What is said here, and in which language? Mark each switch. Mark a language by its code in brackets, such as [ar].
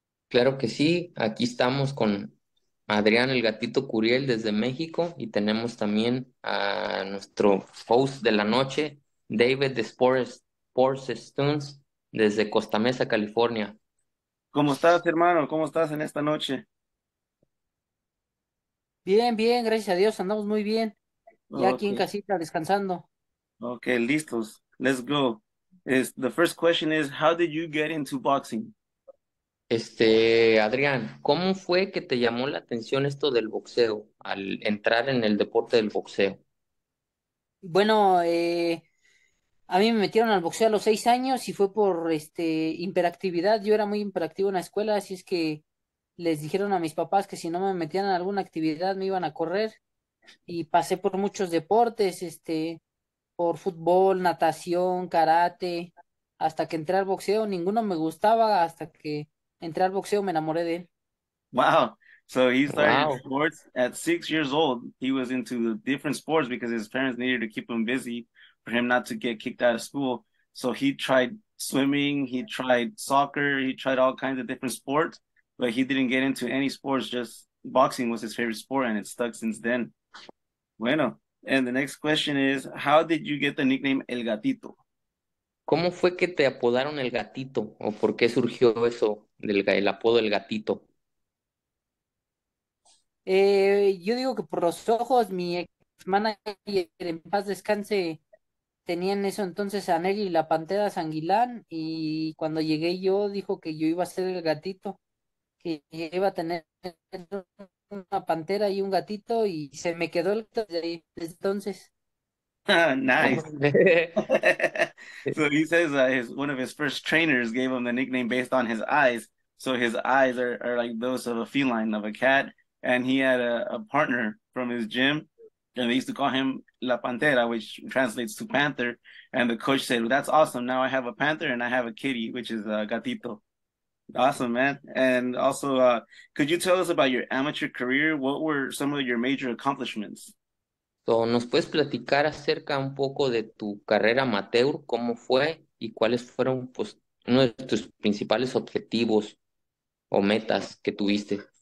[es] Claro que sí, aquí estamos con Adrián el Gatito Curiel desde México y tenemos también a nuestro host de la noche, David de Sports Stones desde Costa Mesa, California. ¿Cómo estás, hermano? ¿Cómo estás en esta noche? Bien, bien, gracias a Dios, andamos muy bien. Ya aquí en [en] Okay. [es] casita, descansando. [en] Okay, [es] listos. [en] Let's go. The first question is, how did you get into boxing? [es] Adrián, ¿cómo fue que te llamó la atención esto del boxeo al entrar en el deporte del boxeo? Bueno, a mí me metieron al boxeo a los 6 años y fue por hiperactividad. Yo era muy hiperactivo en la escuela, así es que les dijeron a mis papás que si no me metían en alguna actividad me iban a correr. Y pasé por muchos deportes, por fútbol, natación, karate, hasta que entré al boxeo. Ninguno me gustaba hasta que entré al boxeo, me enamoré de él. [en] Wow. So he started Wow. sports at 6 years old. He was into different sports because his parents needed to keep him busy for him not to get kicked out of school. So he tried swimming, he tried soccer, he tried all kinds of different sports, but he didn't get into any sports. Just boxing was his favorite sport and it stuck since then. Bueno, and the next question is, how did you get the nickname El Gatito? [es] ¿Cómo fue que te apodaron el gatito? ¿O por qué surgió eso del el apodo del gatito? Yo digo que por los ojos, mi ex manager, en paz descanse, tenían eso entonces a Nelly y la Pantera Sanguilán, y cuando llegué yo dijo que yo iba a ser el gatito, que iba a tener una pantera y un gatito, y se me quedó el desde ahí, desde entonces. [en] Nice. So he says that one of his first trainers gave him the nickname based on his eyes. So his eyes are like those of a feline, of a cat. And he had a partner from his gym, and they used to call him La Pantera, which translates to panther. And the coach said, well, that's awesome. Now I have a panther and I have a kitty, which is a gatito. Awesome, man. And also, could you tell us about your amateur career? What were some of your major accomplishments? [es] So, ¿nos puedes platicar acerca un poco de tu carrera amateur, cómo fue y cuáles fueron, pues, uno de tus principales objetivos o metas que tuviste?